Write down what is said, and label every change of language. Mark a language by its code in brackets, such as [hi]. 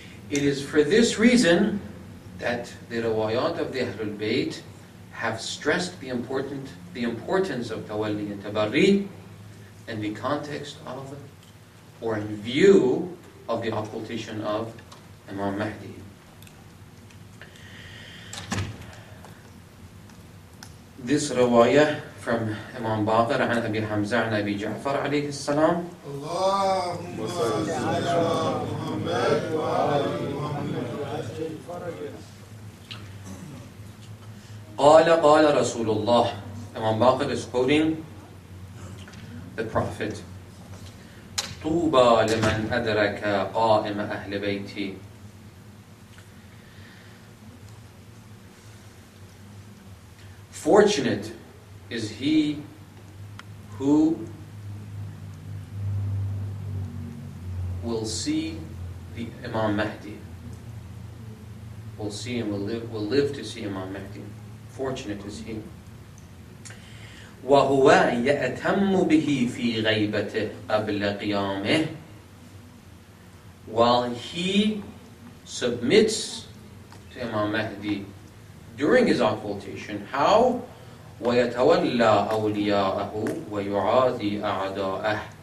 [en] It is for this reason that the Riwayat of the Ahlul Bayt have stressed the importance of Tawalli and Tabarri in the context of, or in view of, the occultation of Imam Mahdi. This riwayah from Imam Baqir [ar] عن أبي حمزة عن أبي جعفر عليه السلام. اللهم صل على محمد وعلى محمد. قال رسول الله. [en] Imam Baqir is quoting the Prophet. [ar] طوبى لمن أدرك قائم أهل بيتي. [en] Fortunate is he who will see the Imam Mahdi. Will see him, will live to see Imam Mahdi. Fortunate is he. [ar] وهو يأتم به في غيبته قبل قيامه. [en] While he submits to Imam Mahdi during his occultation, how? [ar] وَيَتَوَلَّى أَوْلِيَاءَهُ وَيُعَاذِي أَعْدَاءَهُ.